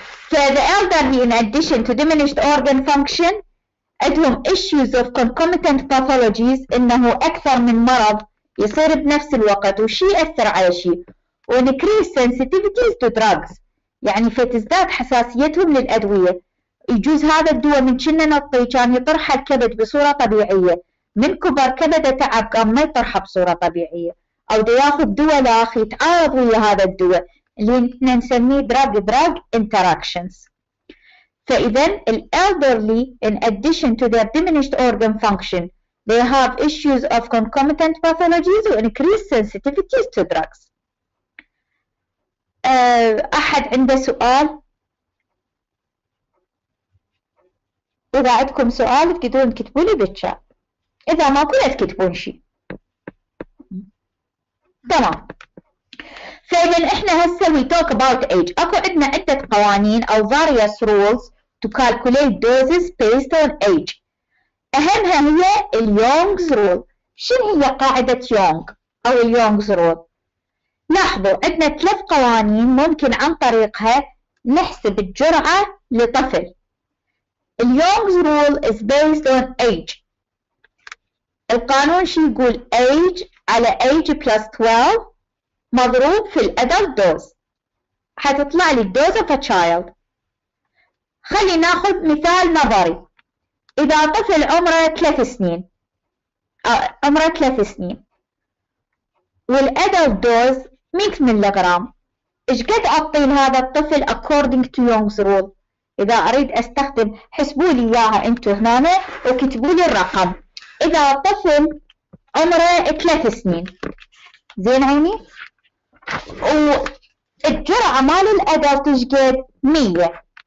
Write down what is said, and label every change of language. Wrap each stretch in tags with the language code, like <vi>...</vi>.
<en>فthe elderly in addition to diminished organ function</en> <ar>عندهم</ar> <en>issues of concomitant pathologies،</en> <ar>انه اكثر من مرض يصير بنفس الوقت وشي اثر على شي،</ar> <en>increased sensitivities to drugs</en> <ar>يعني فتزداد حساسيتهم للأدوية. يجوز هذا الدواء من كنا نطي كان يطرح الكبد بصورة طبيعية، من كبر كبده تعب قام ما يطرحه بصورة طبيعية، أو دي ياخذ دواء لاخ يتعارض ويا هذا الدواء اللي احنا نسميه دراج دراج انتراكشنز.</ar> <en>فإذا الـ elderly in addition to their diminished organ function they have issues of concomitant pathologies and increased sensitivities to drugs.</en> <ar>أحد عنده سؤال؟ إذا عندكم سؤال تقدرون تكتبوا لي بالشات، إذا ما كنت تكتبون شيء. تمام. فإذا إحنا هسه</ar> <en>we talk about age.</en> <ar>أكو عندنا عدة قوانين أو</ar> <en>various rules to calculate doses based on age.</en> <ar>أهمها هي الـ Young's rule. شنو هي قاعدة Young أو الـ Young's rule؟ لاحظوا عندنا ثلاث قوانين ممكن عن طريقها نحسب الجرعة لطفل.</ar> <en>الـ Young's rule is based on age.</en> <ar>القانون شي يقول age على age plus 12 مضروب في الـ Adult dose. حتطلع لي dose of a child. خلي ناخذ مثال نظري، إذا طفل عمره 3 سنين، عمره 3 سنين، والأدلت دوز 100 ملي غرام، إيش قد أعطي لهذا الطفل</ar> <en>according to Young's rule؟</en> <ar>إذا أريد أستخدم حسبوا لي إياها أنتوا هنا وكتبوا لي الرقم، إذا طفل عمره 3 سنين، زين عيني؟ والجرعة مال الأدلت إيش قد؟ 100.</ar>